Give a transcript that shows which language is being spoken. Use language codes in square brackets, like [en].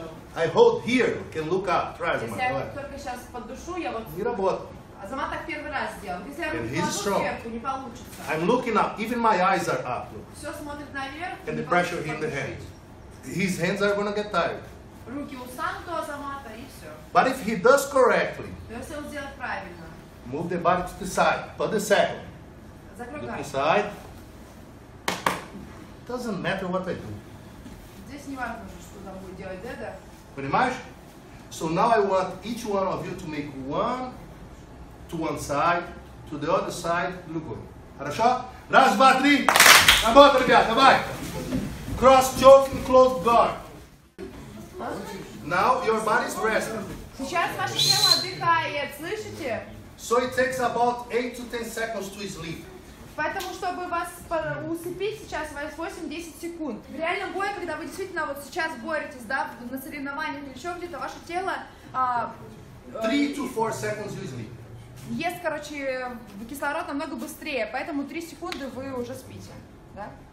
[en] Look, I hold here, can look up, try Azamat. [ru] Если я вот только сейчас поддушу, я вот... Не работает. Азамат так первый раз сделал. Если я руку положу сверху, не получится. [en] I'm looking up, even my eyes are up. Look. [ru] Все смотрит наверх, [en] and the pressure in the hand. His hands are gonna get tired. [ru] Сейчас Руки у Санту Азамата и все. [en] But if he does correctly, [ru] если он сделает правильно, [en] move the body to the side, put the saddle. [ru] Закругай. [en] To the side. Doesn't matter what I do. [ru] Здесь не важно, что там будет делать деда. Понимаешь? [en] So now I want each one of you to make one to one side, to the other side, [ru] другой. Хорошо? Раз, два, три. Работа, ребят, давай. [en] Cross choke and close guard. Now your body is resting. [ru] Сейчас ваше тело отдыхает, слышите? [en] So it takes about 8 to 10 seconds to sleep. [ru] Поэтому, чтобы вас усыпить, сейчас у вас 8-10 секунд. В реальном бою, когда вы действительно вот сейчас боретесь, да, на соревнованиях или еще где-то, ваше тело... [en] 3-4 seconds usually. [ru] Ест, короче, кислород намного быстрее, поэтому 3 секунды вы уже спите, да?